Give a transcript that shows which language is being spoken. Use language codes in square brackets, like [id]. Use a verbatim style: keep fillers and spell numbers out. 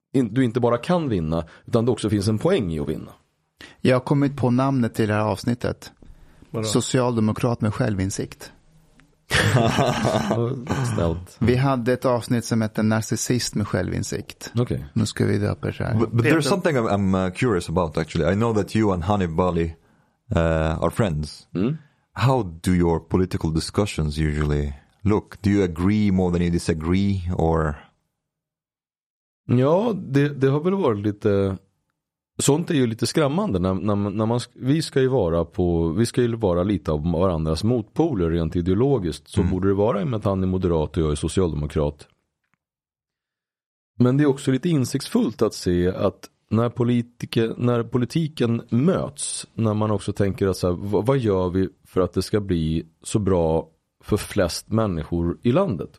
[sv] du inte bara kan vinna, utan det också finns en poäng i att vinna. Jag har kommit på namnet till det här avsnittet. Vadå? Socialdemokrat med självinsikt. Snällt. Vi hade ett avsnitt som hette Narcissist med självinsikt. [en] Okay. [sv] Nu ska vi döpa det här. [en] But, but there's something I'm, I'm uh, curious about actually. I know that you and Hanibali uh, are friends. Mm? How do your political discussions usually look? Do you agree more than you disagree, or... [sv] Ja, det, det har väl varit lite... Sånt är ju lite skrämmande. När, när, när man, vi, ska ju vara på, vi ska ju vara lite av varandras motpoler rent ideologiskt. Så mm. borde det vara, i och med att han är moderat och jag är socialdemokrat. Men det är också lite insiktsfullt att se att när, politiker, när politiken möts, när man också tänker att så här, vad, vad gör vi för att det ska bli så bra för flest människor i landet?